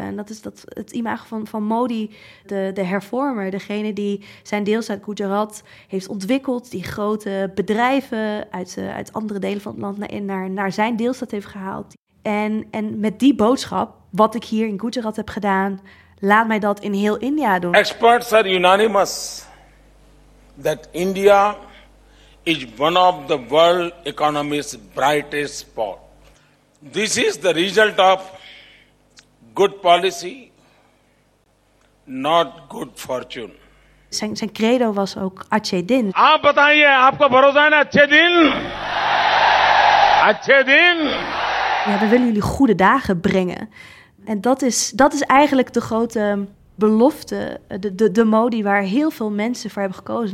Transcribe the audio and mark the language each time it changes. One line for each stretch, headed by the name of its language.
Dutch: En dat is het imago van Modi, de hervormer. Degene die zijn deels uit Gujarat heeft ontwikkeld. Die grote bedrijven uit andere delen van het land naar zijn deelstaat heeft gehaald. En met die boodschap, wat ik hier in Gujarat heb gedaan, laat mij dat in heel India doen.
English: Experts are unanimous that India is one of the world economy's brightest spot. This is the result of good policy, not good fortune.
Dutch: Zijn credo was ook Achhe Din.
Hindi: Aap bataiye, aapko bharosa hai na Achhe Din? Achhe Din.
Dutch: Ja, we willen jullie goede dagen brengen. En dat is eigenlijk de grote belofte, de Modi waar heel veel mensen voor hebben gekozen.